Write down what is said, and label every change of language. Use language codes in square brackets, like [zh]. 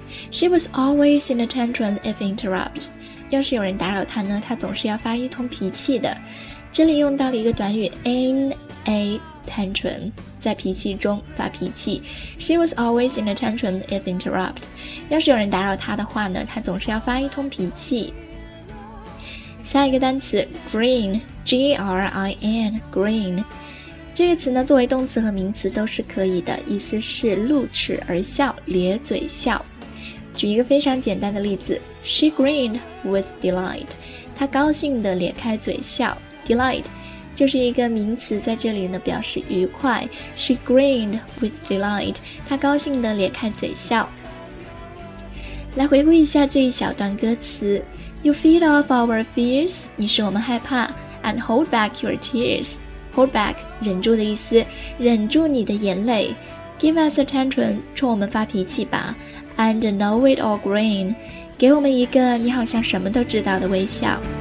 [en] She was always in a tantrum if interrupted. [zh] 要是有人打扰她呢，她总是要发一通脾气的。这里用到了一个短语 in a tantrum, 在脾气中发脾气。 [en] She was always in a tantrum if interrupted. [zh] 要是有人打扰她的话呢，她总是要发一通脾气。下一个单词 green, G-R-I-N, green, 这个词呢作为动词和名词都是可以的，意思是露齿而笑，咧嘴笑。举一个非常简单的例子， [en] She grinned with delight, [zh] 她高兴地咧开嘴笑。 Delight 就是一个名词，在这里呢表示愉快。 [en] She grinned with delight, [zh] 她高兴地咧开嘴笑。来回顾一下这一小段歌词， [en] You feed off our fears, [zh] 你使我们害怕 [en] and hold back your tears. [zh] Hold back, 忍住的意思，忍住你的眼泪。 [en] Give us a tantrum, [zh] 冲我们发脾气吧 [en] and know it all green. [zh] 给我们一个你好像什么都知道的微笑。